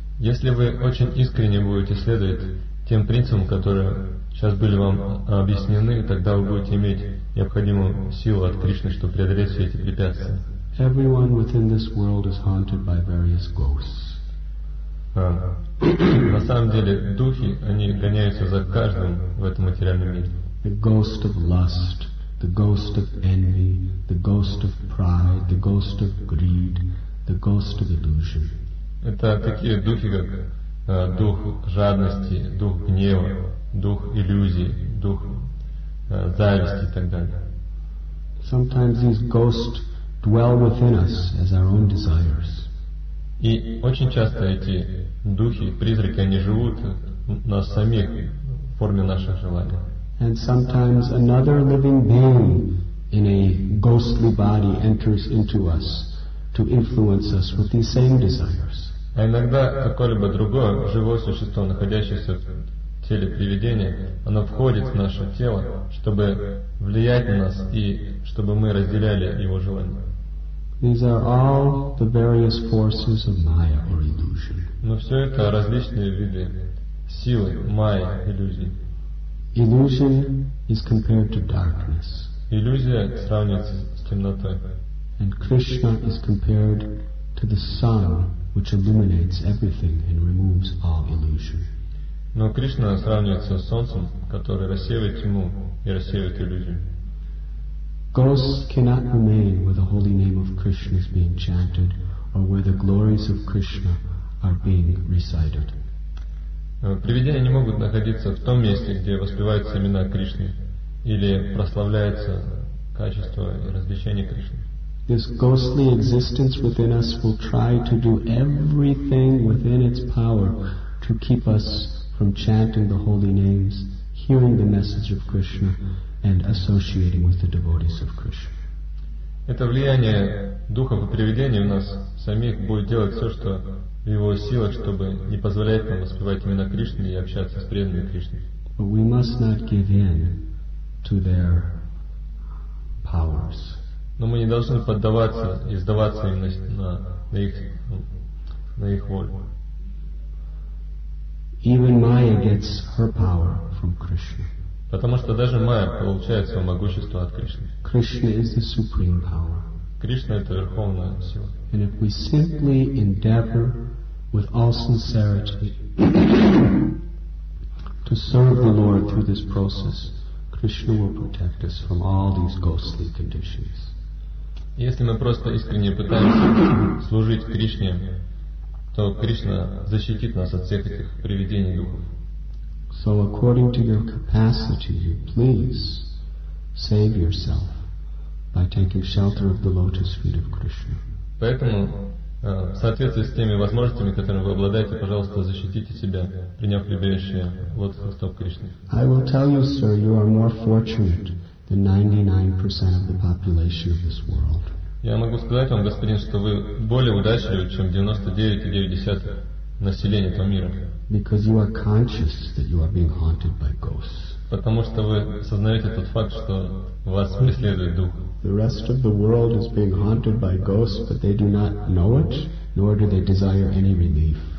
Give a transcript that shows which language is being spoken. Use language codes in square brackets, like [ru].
[ru] Если вы очень искренне будете следовать тем принципам, которые сейчас были вам объяснены, тогда вы будете иметь необходимую силу от Кришны, чтобы преодолеть все эти препятствия. [en] Everyone within this world is haunted by various ghosts. [ru] На самом деле духи, они гоняются за каждым в этом материальном мире. [en] The ghost of lust, the ghost of envy, the ghost of pride, the ghost of greed, the ghost of illusion. [ru] Это такие духи, как дух жадности, дух гнева, дух иллюзии, дух зависти и так далее. [en] Sometimes these ghosts dwell within us as our own desires. [ru] И очень часто эти духи, призраки, они живут в нас самих, в форме наших желаний. [en] And sometimes another living being in a ghostly body enters into us to influence us with these same desires. [ru] А иногда какое-либо другое живое существо, находящееся в теле привидения, оно входит в наше тело, чтобы влиять на нас и чтобы мы разделяли его желания. [en] These are all the various forces of Maya or illusion. [ru] Но все это различные виды силы Майя, иллюзии. [en] Illusion is compared to darkness. [ru] Иллюзия сравнивается с темнотой. [en] And Krishna is compared to the sun, which illuminates everything and removes all illusion. [ru] Но Кришна сравнивается с солнцем, который рассеивает тьму и рассеивает иллюзию. [en] Ghosts cannot remain where the holy name of Krishna is being chanted or where the glories of Krishna are being recited. [ru] Привидения не могут находиться в том месте, где воспеваются имена Кришны или прославляется качество и развлечение Кришны. [en] This ghostly existence within us will try to do everything within its power to keep us from chanting the holy names, hearing the message of Krishna, and associating with the devotees of Krishna. [ru] Это влияние духов и привидений в нас самих будет делать все, что в его силах, чтобы не позволять нам воспевать имена Кришны и общаться с преданными Кришны. [en] But we must not give in to their powers. [ru] Но мы не должны поддаваться и сдаваться им на их волю. [en] Even Maya gets her power from Krishna. [ru] Потому что даже Майя получает свое могущество от Кришны. [en] Krishna is the supreme power. [ru] Кришна — это верховная сила. [en] And if we simply endeavor with all sincerity to serve the Lord through this process, Krishna will protect us from all these ghostly conditions. [ru] Если мы просто искренне пытаемся служить Кришне, то Кришна защитит нас от всех этих привидений духов. [en] So according to your capacity, please save yourself by taking shelter of the lotus feet of Krishna. [ru] Поэтому, в соответствии с теми возможностями, которыми вы обладаете, пожалуйста, защитите себя, приняв прибежище лотосных стоп Кришны. [en] I will tell you, sir, you are more fortunate than 99% of the population of this world. [ru] Я могу сказать вам, господин, что вы более удачливы, чем 99,9% населения этого мира. [en] Because you are conscious that you are being haunted by ghosts. [ru] Потому что вы осознаете тот факт, что вас преследует дух. [en] The rest of the world is being haunted by ghosts, but they do not know it, nor do they desire any relief.